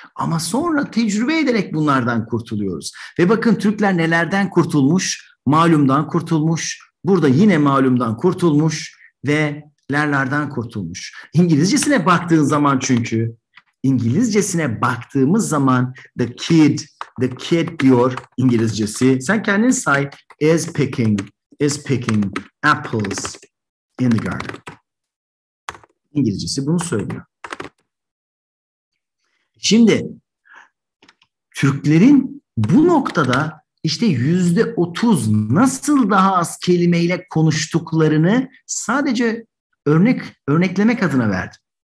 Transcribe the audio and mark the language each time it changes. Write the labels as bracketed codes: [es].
[tr] Ama sonra tecrübe ederek bunlardan kurtuluyoruz. Ve bakın Türkler nelerden kurtulmuş? Malumdan kurtulmuş. Burada yine malumdan kurtulmuş. Ve lerlerden kurtulmuş. İngilizcesine baktığın zaman çünkü, İngilizcesine baktığımız zaman [en] the kid [tr] diyor İngilizcesi. Sen kendin say, [en] is picking apples in the garden. [tr] İngilizcesi bunu söylüyor. Şimdi Türklerin bu noktada işte %30 nasıl daha az kelimeyle konuştuklarını sadece örneklemek adına verdim.